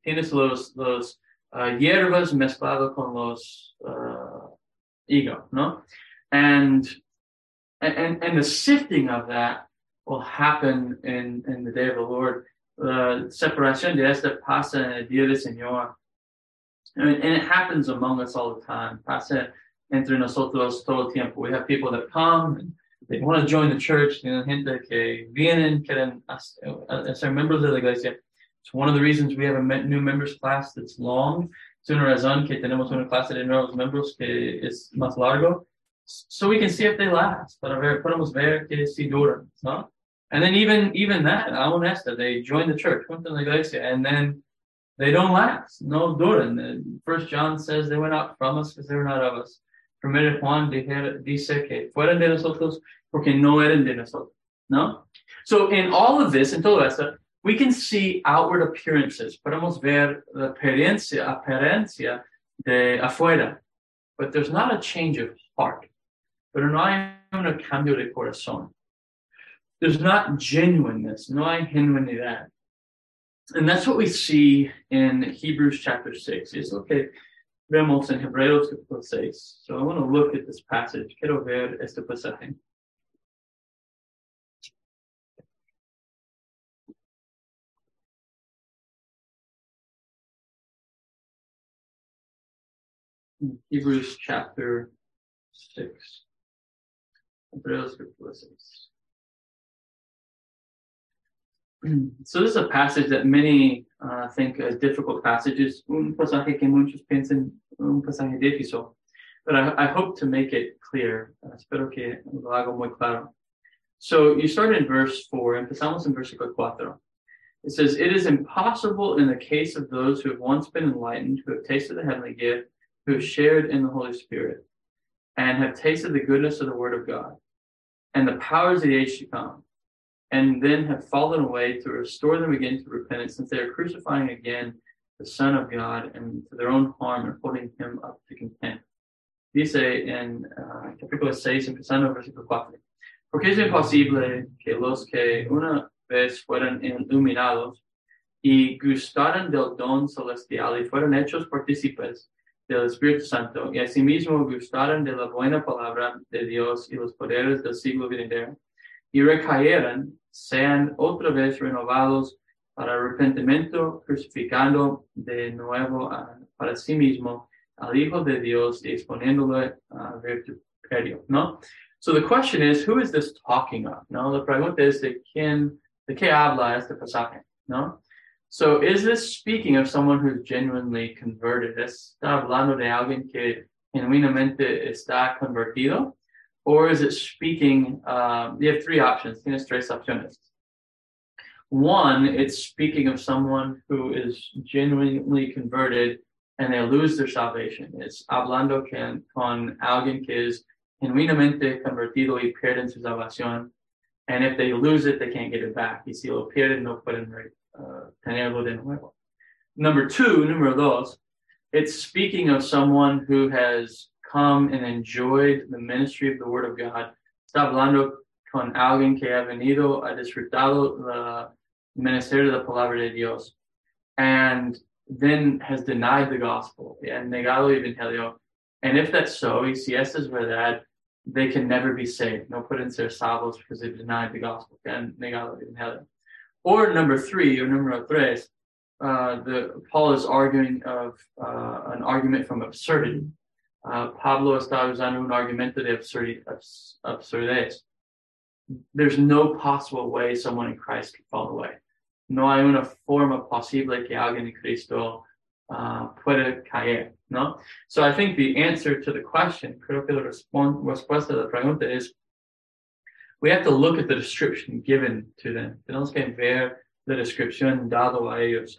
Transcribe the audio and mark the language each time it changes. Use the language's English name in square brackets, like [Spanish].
[Spanish] Tienes los hierbas mezclado con los higo, no? [English] And the sifting of that will happen in the day of the Lord. [Spanish] The separación de esta pasa en el día del Señor. [English] And it happens among us all the time. [Spanish] Pasa entre nosotros todo el tiempo. [English] We have people that come and they want to join the church. You know, [Spanish] gente que vienen, quieren ser miembros de la iglesia. [English] It's one of the reasons we have a new members class that's long. [Spanish] Es una razón que tenemos una clase de nuevos miembros que es más largo. [English] So we can see if they last. [Spanish] Para ver, podemos ver que si duran, ¿no? [English] And then even that, [Spanish] aún esta, [English] they join the church, went to la iglesia, and then they don't last. [Spanish] No duran. [English] First John says they went out from us because they were not of us. [Spanish] Primero Juan dice que fueran de nosotros porque no eran de nosotros, ¿no? [English] So in all of this, [Spanish] en todo esto, [English] we can see outward appearances. [Spanish] Podemos ver la apariencia de afuera. [English] But there's not a change of heart. [Spanish] Pero no hay un cambio de corazón. [English] There's not genuineness. [Spanish] No hay genuinidad. [English] And that's what we see in Hebrews chapter 6. It's okay. [Spanish] Vemos en Hebreos capítulo 6. [English] So I want to look at this passage. [Spanish] Quiero ver este pasaje. [English] Hebrews chapter 6. [Spanish] Hebreos capítulo 6. [English] So this is a passage that many think is difficult passages. [Spanish] Un pasaje que muchos piensan un pasaje difícil. [English] But I hope to make it clear. [Spanish] Espero que lo haga muy claro. [English] So you start in verse 4, [Spanish] empezamos en versículo 4. [English] It says, it is impossible in the case of those who have once been enlightened, who have tasted the heavenly gift, who have shared in the Holy Spirit, and have tasted the goodness of the word of God, and the powers of the age to come, and then have fallen away, to restore them again to repentance, since they are crucifying again the Son of God, and to their own harm, and holding him up to contempt. [Spanish] Dice en capítulo 6, empezando en versículo 4. Porque es imposible que los que una vez fueron iluminados y gustaron del don celestial y fueron hechos partícipes del Espíritu Santo y asimismo gustaron de la buena palabra de Dios y los poderes del siglo venidero y recayeran, sean otra vez renovados para arrepentimiento, crucificando de nuevo para sí mismo al Hijo de Dios y exponiéndole a vituperio, ¿no? [English] So the question is, who is this talking of? [Spanish] No, la pregunta es de qué habla este pasaje, ¿no? [English] So is this speaking of someone who's genuinely converted? [Spanish] ¿Está hablando de alguien que genuinamente está convertido? [English] Or is it speaking, you have three options, [Spanish] tienes tres opciones. [English] One, it's speaking of someone who is genuinely converted and they lose their salvation. [Spanish] It's hablando con alguien que es genuinamente convertido y pierden su salvación. [English] And if they lose it, they can't get it back. [Spanish] Y si lo pierden, no pueden tenerlo de nuevo. [English] Número dos, it's speaking of someone who has come and enjoyed the ministry of the Word of God. [Spanish] Está hablando con alguien que ha venido a disfrutar la ministerio de la Palabra de Dios. [English] And then has denied the gospel. Yeah, [Spanish] negado el Evangelio. [English] And if that's so, [Spanish] y si esa es verdad, [English] they can never be saved. [Spanish] No pueden ser salvos [English] because they've denied the gospel. [Spanish] And negado el Evangelio. [English] Or number three, or número tres, Paul is arguing of an argument from absurdity. [Spanish] Pablo está usando un argumento de absurdez. [English] There's no possible way someone in Christ could fall away. [Spanish] No hay una forma posible que alguien en Cristo puede caer, ¿no? [English] So I think the answer to the question, [Spanish] creo que la respuesta a la pregunta es, [English] we have to look at the description given to them. [Spanish] Tenemos que ver la descripción dado a ellos.